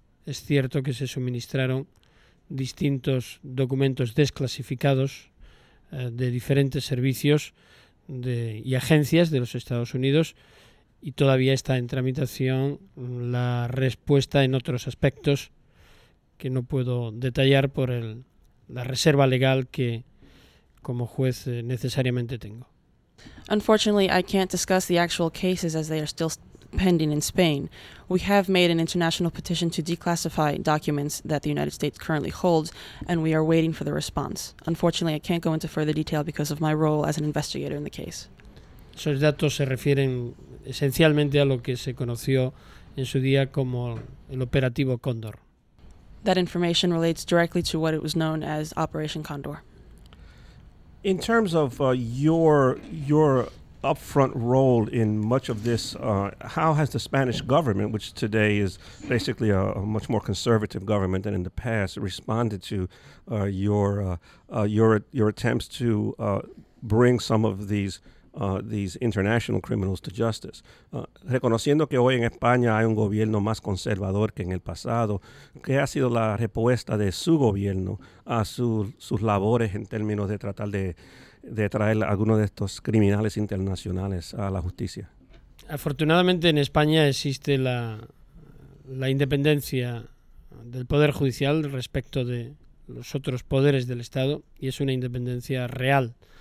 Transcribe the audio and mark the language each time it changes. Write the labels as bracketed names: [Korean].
[Spanish] Es cierto que se suministraron distintos documentos desclasificados de diferentes servicios y agencias de los Estados Unidos, y todavía está en tramitación la respuesta en otros aspectos que no puedo detallar por la reserva legal que como juez necesariamente tengo. [English] Unfortunately, I can't discuss the actual cases as they are still pending in Spain. We have made an international petition to declassify documents that the United States currently holds, and we are waiting for the response. Unfortunately, I can't go into further detail because of my role as an investigator in the case. [Spanish] Esos datos se refieren esencialmente a lo que se conoció en su día como el operativo Cóndor. [English] That information relates directly to what it was known as Operation Condor. In terms of your upfront role in much of this, how has the Spanish government, which today is basically a much more conservative government than in the past, responded to your attempts to bring some of these international criminals to justice? [Spanish] Reconociendo que hoy en España hay un gobierno más conservador que en el pasado, ¿qué ha sido la respuesta de su gobierno a sus labores en términos de tratar de traer algunos de estos criminales internacionales a la justicia? Afortunadamente en España existe la independencia del Poder Judicial respecto de los otros poderes del Estado, y es una independencia real.